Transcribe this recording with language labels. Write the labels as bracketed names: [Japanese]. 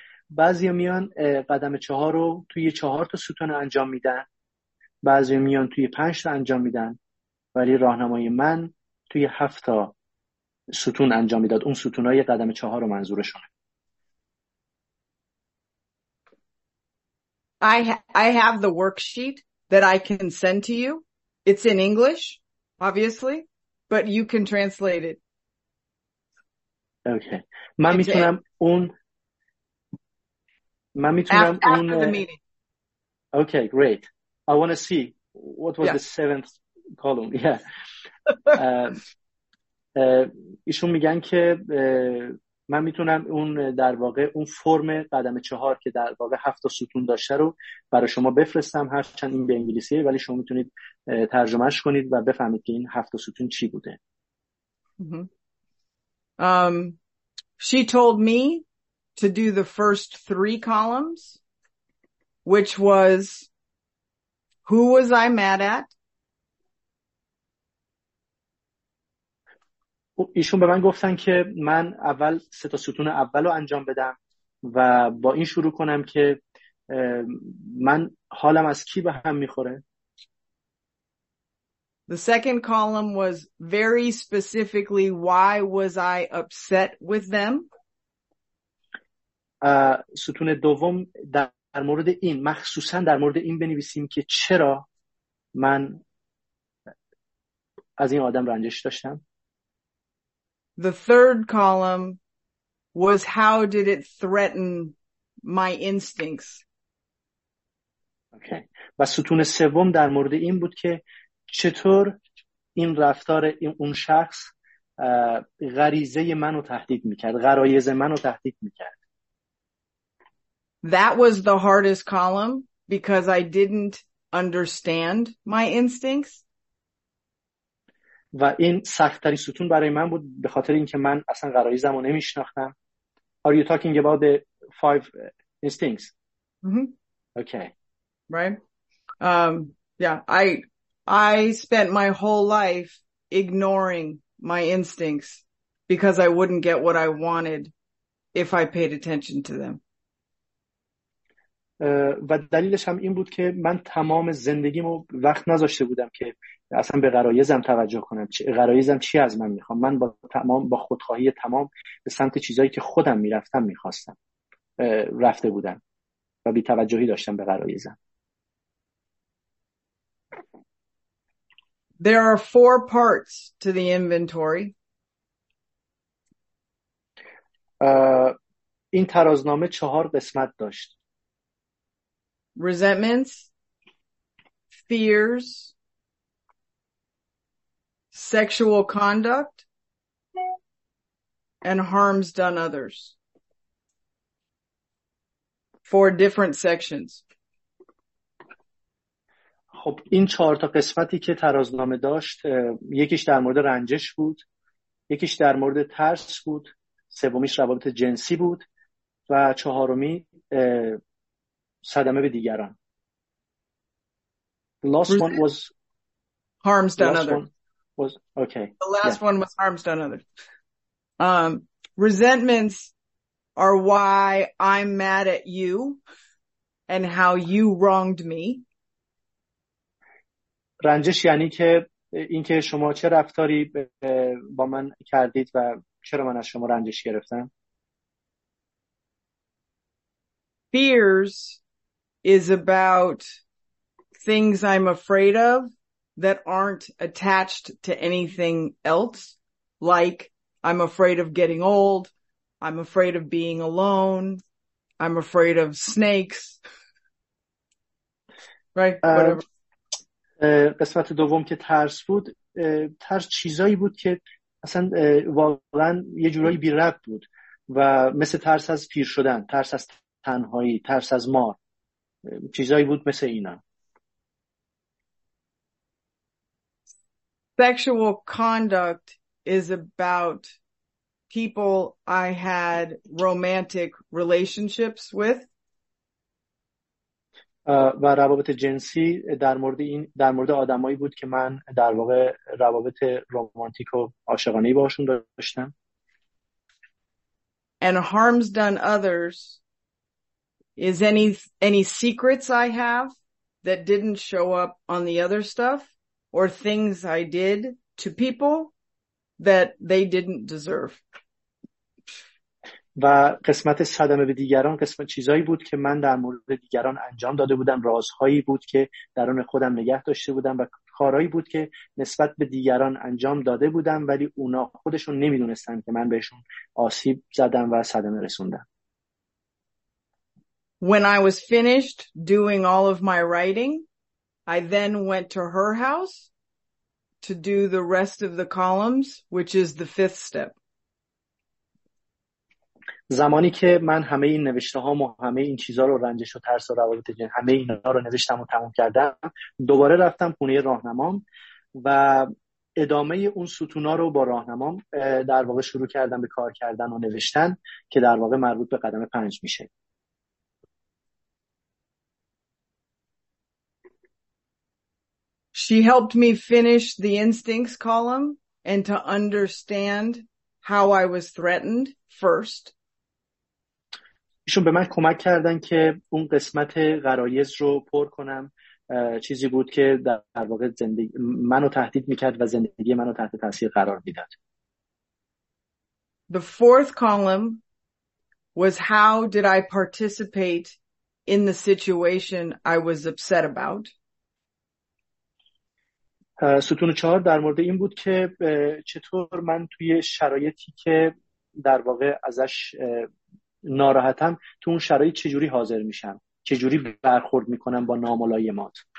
[Persian] بعضی میان قدم چهار رو توی چهار تا ستون انجام میدن، بعضی میان توی پنج تا انجام میدن، ولی راهنمای من توی هفت تا ستون انجام میداد. اون ستونای قدم چهار رو منظورشونه. [English] I have the worksheet that I can send to you. It's in English. obviously, but you can translate it. [Persian] Okay. من میتونم اون من میتونم [English] after, [Persian] اون [English] after the meeting. Okay, great. I want to see what was the seventh column. Yeah. [Persian] ایشون میگن که من میتونم اون در واقع اون فرم قدم چهار که در واقع هفت تا ستون داشته رو برای شما بفرستم، هرچند این به انگلیسیه ولی شما میتونید ترجمهش کنید و بفهمید که این هفت تا ستون چی بوده. [English] She told me to do the first three columns, which was who was I mad at. [Persian] ایشون به من گفتن که من اول سه تا ستون اول رو انجام بدم و با این شروع کنم که من حالم از کی به هم میخوره. [English] The second column was very specifically why was I upset with them. [Persian] ستون دوم در مورد این، مخصوصا در مورد این بنویسیم که چرا من از این آدم رنجش داشتم. [English] The third column was how did it threaten my instincts. Okay. [Persian] و ستون سوم در مورد این بود که چطور این رفتار این اون شخص غریزه منو تهدید میکرد، غرایز منو تهدید میکرد. [English] That was the hardest column because I didn't understand my instincts. [Persian] و این سخت‌ترین ستون برای من بود به خاطر اینکه من اصلا غرایزم رو نمی‌شناختم. [English] Are you talking about the five instincts? Mm-hmm. Okay. Right. I spent my whole life ignoring my instincts because I wouldn't get what I wanted if I paid attention to them. [Persian] و دلیلش هم این بود که من تمام زندگیمو وقت نذاشته بودم که اصلا به غرایزم توجه کنم. غرایزم چی از من میخوام؟ من با خودخواهی تمام به سمت چیزایی که خودم میرفتم میخواستم رفته بودم و بی توجهی داشتم به غرایزم. [English] There are four parts to the inventory. [Persian] این ترازنامه چهار قسمت داشت. [English] Resentments, fears, sexual conduct, and harms done others. Four different sections. [Persian] خب این چهار تا قسمتی که ترازنامه داشت، یکیش در مورد رنجش بود، یکیش در مورد ترس بود، سومیش روابط جنسی بود و چهارمی صدمه به دیگران. [English] The last one was harms done others. Was okay. The last one was harms done others. Resentments are why I'm mad at you and how you wronged me. [Persian] رنجش یعنی که اینکه شما چه رفتاری با من کردید و چرا من از شما رنجش گرفتم. [English] Fears is about things I'm afraid of that aren't attached to anything else, like I'm afraid of getting old, I'm afraid of being alone, I'm afraid of snakes, right? Whatever. [Persian] قسمت دوم که ترس بود، ترس چیزایی بود که اصلا واقعا یه جورایی بی ربط بود و مثل ترس از پیر شدن، ترس از تنهایی، ترس از مار، چیزایی بود مثل اینا. [English] Sexual conduct is about people I had romantic relationships with. [Persian] و روابط جنسی در مورد آدمایی بود که من در واقع روابط رمانتیک و عاشقانه‌ای باهاشون داشتم. [English] And harms done others is any secrets I have that didn't show up on the other stuff or things I did to people that they didn't deserve. [Persian] و قسمت صدمه به دیگران قسمت چیزایی بود که من در مورد دیگران انجام داده بودم، رازهایی بود که درون خودم نگه داشته بودم و کارهایی بود که نسبت به دیگران انجام داده بودم ولی اونا خودشون نمیدونستن که من بهشون آسیب زدم و صدمه رسوندم. [English] When I was finished doing all of my writing, I then went to her house to do the rest of the columns, which is the fifth step. [Persian] زمانی که من همه این نوشته هام و همه این چیزها رو رنجش و ترس و روابط جنسی همه اینا رو نوشتم و تموم کردم، دوباره رفتم خونه راهنمام و ادامه اون ستونا رو با راهنمام در واقع شروع کردم به کار کردن و نوشتن که در واقع مربوط به قدم پنج میشه. [English] She helped me finish the instincts column and to understand how I was threatened first. [Persian] ایشون به من کمک کردن که اون قسمت غرایز رو پر کنم، چیزی بود که در واقع زندگی منو تهدید میکرد و زندگی منو تحت تاثیر قرار میداد. [English] The fourth column was how did I participate in the situation I was upset about. [Persian] ستون چهار در مورد این بود که چطور من توی شرایطی که در واقع ازش ناراحتم تو اون شرایط چجوری حاضر میشم، چجوری برخورد میکنم با ناملایمات.